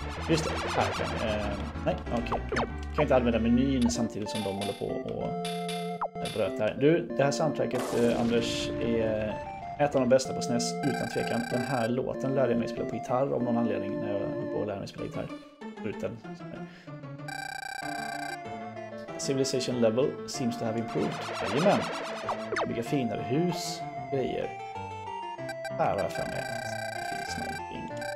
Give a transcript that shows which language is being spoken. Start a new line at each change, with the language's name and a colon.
Swedish: Just det, här kan nej, okej. Okay. Kan inte använda menyn samtidigt som de håller på och bröt här. Du, det här soundtracket, Anders, är ett av de bästa på SNES, utan tvekan. Den här låten lärde jag mig spela på gitarr av någon anledning när jag höll på att lära mig spela gitarr. Utan.
English: Civilization level seems to have improved.
Swedish: Jajamän! Bygga finare hus, grejer. Här har jag för mig att det finns någonting.